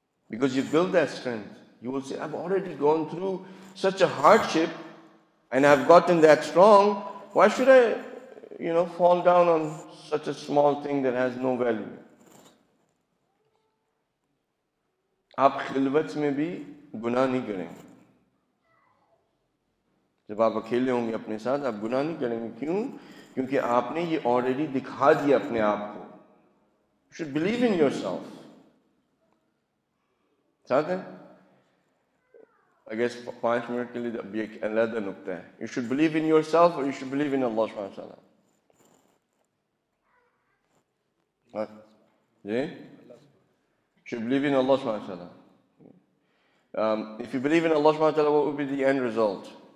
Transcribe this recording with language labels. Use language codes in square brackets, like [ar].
[en] Because you build that strength. You will say, I've already gone through such a hardship and I've gotten that strong. Why should I, you know, fall down on such a small thing that has no value? [ur] آپ خلوت میں بھی گناہ نہیں کریں گے. جب آپ اکیلے ہوں گے اپنے ساتھ آپ گناہ نہیں کریں گے. کیوں؟ کیونکہ آپ نے یہ آلریڈی دکھا دیا اپنے آپ کو. [en] You should believe in yourself. [ur] ساتھ ہے؟ [en] I guess 5 minutes [ur] کے لیے ابھی ایک علیحدہ نقطہ ہے. [en] You should believe in yourself or you should believe in Allah سبحانہ وتعالیٰ. جی؟ Should believe in Allah subhanahu wa ta'ala. If you believe in Allah subhanahu wa ta'ala, what would be the end result?